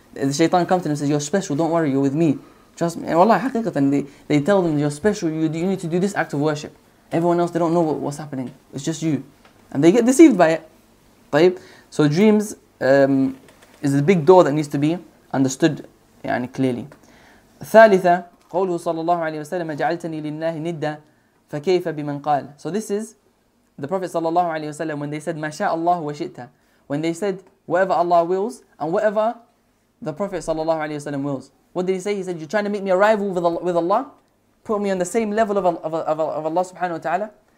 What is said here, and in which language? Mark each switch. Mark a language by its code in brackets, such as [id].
[en] The shaitan comes to them and says, you're special, don't worry, you're with me. Trust me. And wallahi, haqiqatan, they tell them, you're special, you need to do this act of worship. Everyone else, they don't know what's happening. It's just you. And they get deceived by it. [ar] طيب. [en] So dreams is a big door that needs to be understood يعني, clearly. [ar] ثالثة, قوله صلى الله عليه وسلم جعلتني لله ندا فكيف بمن قال. [en] So this is the Prophet صلى الله عليه وسلم when they said [ar] ما شاء الله وشئت. [en] When they said whatever Allah wills and whatever the Prophet صلى الله عليه وسلم wills. What did he say? He said, you're trying to make me a rival with Allah? Put me on the same level of Allah subhanahu wa ta'ala?